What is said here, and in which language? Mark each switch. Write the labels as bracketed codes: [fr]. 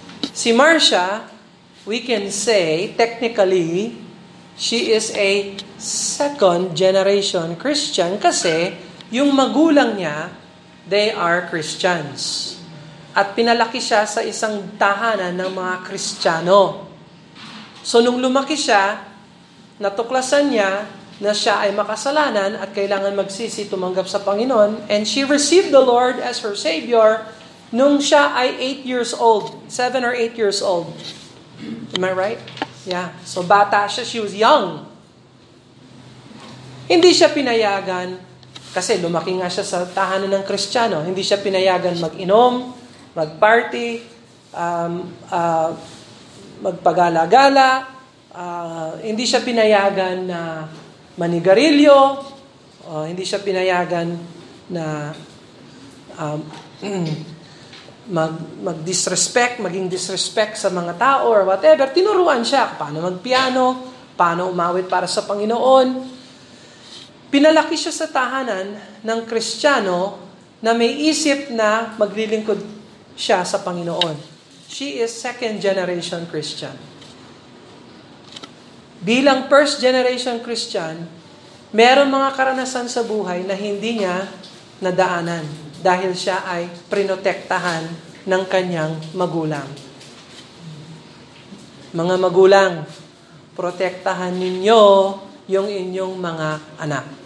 [en] Si Marcia, we can say, technically, she is a second generation Christian [tl] kasi yung magulang niya, [en] they are Christians. [tl] At pinalaki siya sa isang tahanan ng mga Kristiyano. So nung lumaki siya, natuklasan niya na siya ay makasalanan at kailangan magsisi tumanggap sa Panginoon. [en] And she received the Lord as her Savior [tl] nung siya ay 7 or 8 years old. [en] Am I right? Yeah. [tl] So bata siya, [en] she was young. [tl] Hindi siya pinayagan kasi lumaki nga siya sa tahanan ng Kristiyano. Hindi siya pinayagan mag-inom, mag-party, magpagala-gala. Hindi siya pinayagan na manigarilyo. Hindi siya pinayagan na maging disrespect sa mga tao or whatever. Tinuruan siya paano mag-piano, paano umawit para sa Panginoon. Pinalaki siya sa tahanan ng Kristiyano na may isip na maglilingkod siya sa Panginoon. [en] She is second generation Christian. [tl] Bilang first generation Christian, meron mga karanasan sa buhay na hindi niya nadaanan dahil siya ay prinotektahan ng kanyang magulang. Mga magulang, protektahan ninyo yung inyong mga anak.